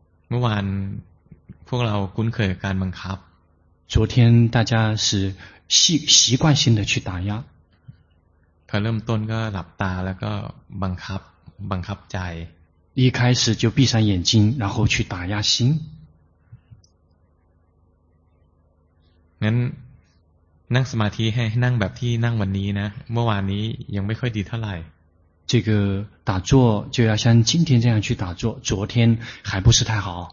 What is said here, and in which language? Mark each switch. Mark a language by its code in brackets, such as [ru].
[th] เมื่อวานพวกเราคุ้นเคยกับการบังคับ [zh] 昨天大家是习惯性的去打压 [th] พอเริ่มต้นก็หลับตาแล้วก็บังคับใจ [zh] 一开始就闭上眼睛然后去打压心 [th] งั้นนั่งสมาธิให้นั่งแบบที่นั่งวันนี้นะเมื่อวานนี้ยังไม่ค่อยดีเท่าไหร่ [zh] 这个打坐就要像今天这样去打坐昨天还不是太好